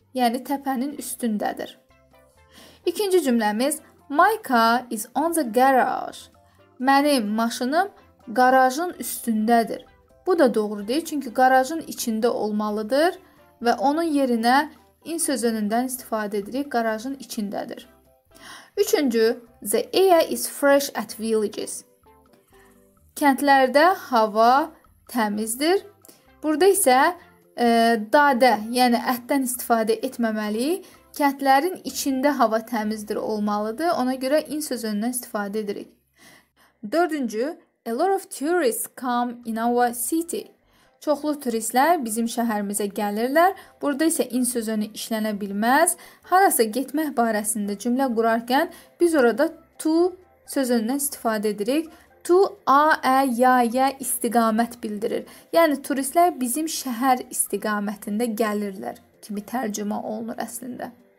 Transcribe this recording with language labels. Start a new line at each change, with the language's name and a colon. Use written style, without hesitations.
Azerbaijani: Yəni təpənin üstündədir. İkinci cümləmiz
English: My car is on the garage.
Azerbaijani: Mənim maşınım qarajın üstündədir. Bu da doğru deyil, çünki qarajın içində olmalıdır və onun yerinə in sözündən istifadə edirik, qarajın içindədir. Üçüncü,
English: the air is fresh at villages.
Azerbaijani: Kəndlərdə hava təmizdir. Burada isə dadə, yəni ətdən istifadə etməməliyik. Kəndlərin içində hava təmizdir olmalıdır. Ona görə in sözündən istifadə edirik. Dördüncü,
English: a lot of tourists come in our city.
Azerbaijani: Çoxlu turistlər bizim şəhərimizə gəlirlər. Burada isə in sözünü işlənə bilməz. Harasa getmək barəsində cümlə qurarkən biz orada to sözündən istifadə edirik. To, a, ə, ya, ya istiqamət bildirir. Yəni, turistlər bizim şəhər istiqamətində gəlirlər kimi tərcümə olunur əslində.